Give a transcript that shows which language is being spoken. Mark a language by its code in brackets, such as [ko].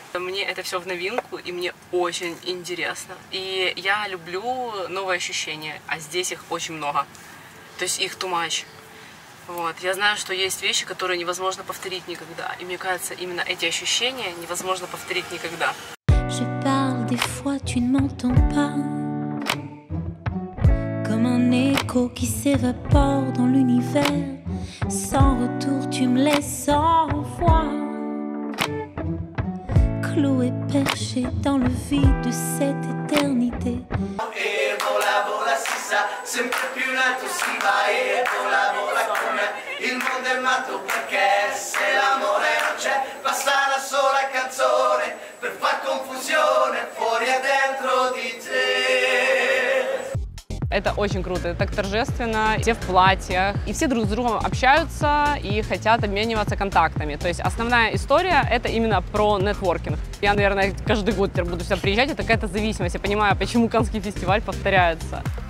[ru] Мне это все в новинку, и мне очень интересно. И я люблю новые ощущения, а здесь их очень много, то есть их [en] too much. [ru] Вот. Я знаю, что есть вещи, которые невозможно повторить никогда. И мне кажется, именно эти ощущения невозможно повторить никогда. [fr] Je parle des fois, tu ne m'entends pas. Comme un écho qui s'évapore dans l'univers. Sans retour, tu me laisses en voix. Cloué, perché dans le vide de cette éternité. [it] Sempre più in alto si va e vola, vola con me. Il mondo è matto perché se l'amore non c'è, basta una sola canzone per far confusione fuori e dentro di te. [ru] Это очень круто, это так торжественно, все в платьях, и все друг с другом общаются и хотят обмениваться контактами. То есть основная история — это именно про нетворкинг. Я, наверное, каждый год теперь буду сюда приезжать, это какая-то зависимость, я понимаю, почему Каннский фестиваль повторяется.